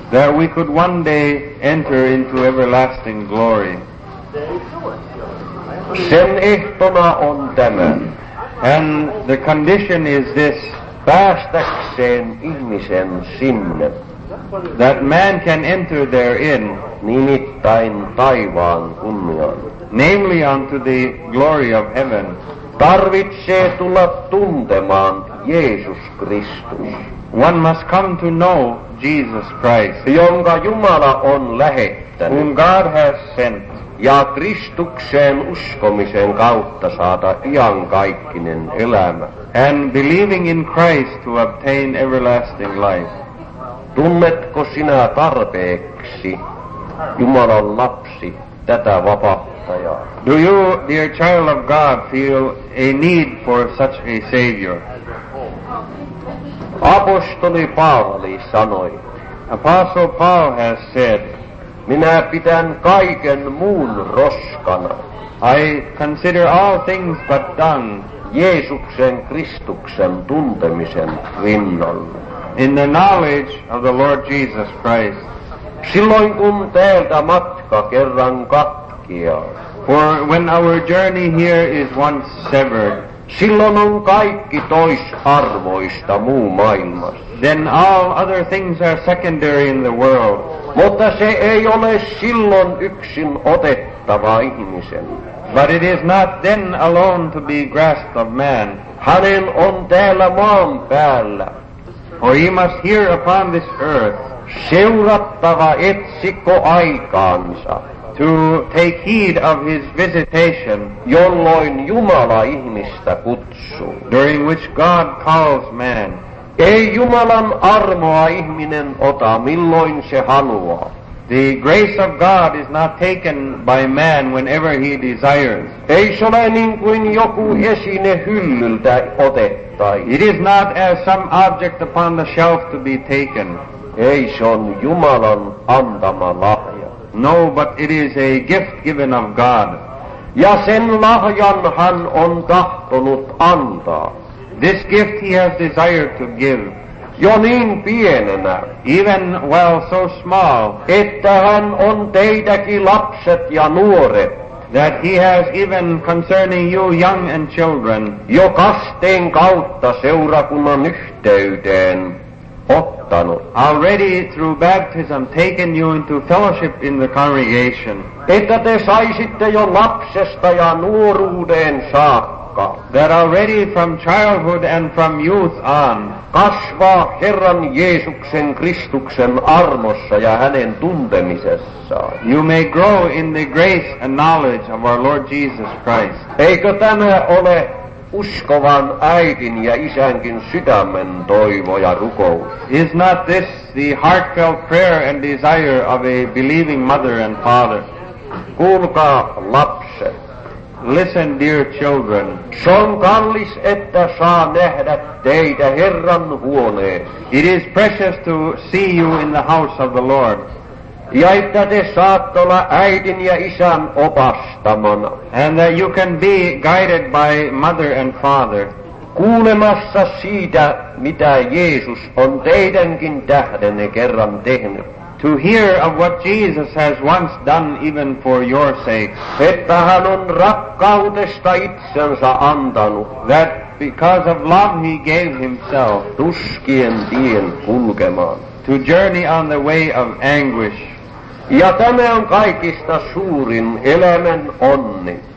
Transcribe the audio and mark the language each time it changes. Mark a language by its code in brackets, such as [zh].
[en] that we could one day enter into everlasting glory. [fi] Sen ehtona on tämä. [en] And the condition is this, [fi] päästäkseen ihmisen sinne, [en] that man can enter therein, [fi] nimittäin taivaan kunniaan, [en] namely unto the glory of heaven, [fi] tarvitsee tulla tuntemaan Jeesus Kristus. [en] One must come to know Jesus Christ, [fi] jonka Jumala on lähettänyt, [en] whom God has sent, [fi] ja Kristukseen uskomisen kautta saada iankaikkinen elämä, [en] and believing in Christ to obtain everlasting life. [fi] Tunnetko sinä tarpeeksi, Jumalan lapsi, tätä vapahtajaa? [en] Do you, dear child of God, feel a need for such a Savior? [fi] Apostoli Paavali sanoi, [en] Apostle Paul has said, [fi] minä pidän kaiken muun roskana, [en] I consider all things but dung, [fi] Jeesuksen Kristuksen tuntemisen rinnalla, [en] in the knowledge of the Lord Jesus Christ. [fi] Silloin kun täältä matka kerran katkeaa, [en] for when our journey here is once severed, [fi] silloin on kaikki toisarvoista muu maailmassa, [en] then all other things are secondary in the world. [fi] Mutta se ei ole silloin yksin otettava ihmisen, [en] but it is not then alone to be grasped of man. [fi] Hänen on täällä maan päällä, [en] for he must here upon this earth, [fi] seurattava etsikko aikaansa, [en] to take heed of his visitation, [fi] jolloin Jumala ihmistä kutsuu, [en] during which God calls man. [fi] Ei Jumalan armoa ihminen ota milloin se haluaa. [en] The grace of God is not taken by man whenever he desires. [fi] Ei se ole niin kuin joku esine hyllyltä otettaisi. [en] It is not as some object upon the shelf to be taken. [fi] Ei se on Jumalan antama lahja. [en] No, but it is a gift given of God. [fi] Ja sen lahjan hän on tahtonut antaa. [en] This gift he has desired to give, [fi] jo niin pienenä, [en] even while so small, [fi] että hän on teitäkin lapset ja nuoret, [en] that he has even concerning you young and children, [fi] jo kasteen kautta seurakunnan yhteyteen ottanut, [en] already through baptism taken you into fellowship in the congregation, [fi] että te saisitte jo lapsesta ja nuoruuden saakka, [en] that already from childhood and from youth on, [fi] kasvaa Herran Jeesuksen Kristuksen armossa ja hänen tuntemisessa, [en] you may grow in the grace and knowledge of our Lord Jesus Christ. [fi] Eikö tämä ole uskovan äidin ja isänkin sydämen toivo ja rukous? [en] Is not this the heartfelt prayer and desire of a believing mother and father? [fi] Kuulkaa, lapset. [en] Listen, dear children. [fi] Se on kallis, että saa nähdä teitä Herran huoneen. [en] It is precious to see you in the house of the Lord. [fi] Ja että te saat olla äidin ja isän opastamana. [en] And that you can be guided by mother and father. [fi] Kuulemassa siitä, mitä Jeesus on teidänkin tähdenne kerran tehnyt. [en] To hear of what Jesus has once done even for your sake, [fi] että hän on rakkaudesta itsensä antanut, [en] that because of love he gave himself, [fi] tuskien tien kulkemaan, [en] to journey on the way of anguish, [fi] Ja tämä on kaikista suurin elämän onni.